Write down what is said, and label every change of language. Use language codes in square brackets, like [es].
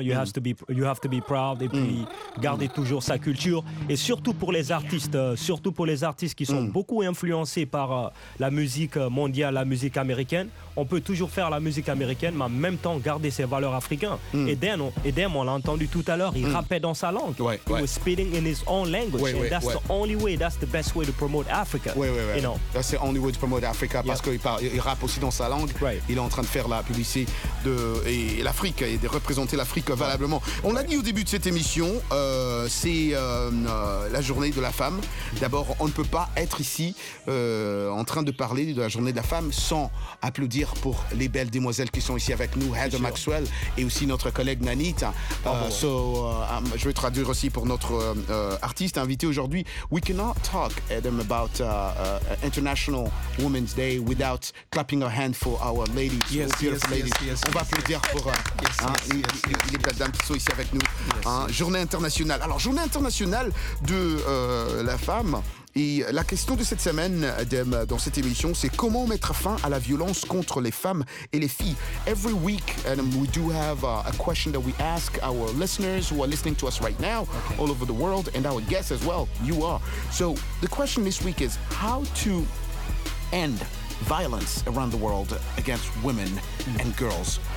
[en] You have to be proud. [fr] Et puis garder toujours sa culture. Et surtout pour les artistes qui sont beaucoup influencés par la musique mondiale, la musique américaine. On peut toujours faire la musique américaine, mais en même temps garder ses valeurs africaines. Edem, on l'a entendu tout à l'heure, il rappait dans sa langue. [en] He was speaking in his own language. That's the only way, that's the best way to promote Africa. That's the only way to promote Africa, [fr] parce qu'il rappe aussi dans sa langue. [en] Right. [fr] Il est en train de faire la publicité de l'Afrique et de représenter l'Afrique valablement. On l'a dit au début de cette émission, c'est la journée de la femme. D'abord, on ne peut pas être ici en train de parler de la journée de la femme sans applaudir pour les belles demoiselles qui sont ici avec nous, Heather Maxwell et aussi notre collègue Nanit. Je vais traduire aussi pour notre artiste invité aujourd'hui. [en] We cannot talk, Adam, about International Women's Day without clapping our hand for our ladies. Yes, [fr] on va applaudir pour les belles dames qui sont ici avec nous. Journée internationale. Alors, journée internationale de la femme. Et la question de cette semaine, Adem, dans cette émission, c'est comment mettre fin à la violence contre les femmes et les filles. [en] Every week, Adem, we do have a question that we ask our listeners who are listening to us right now, all over the world, and our guests as well, you are. So the question this week is how to end violence around the world against women and girls.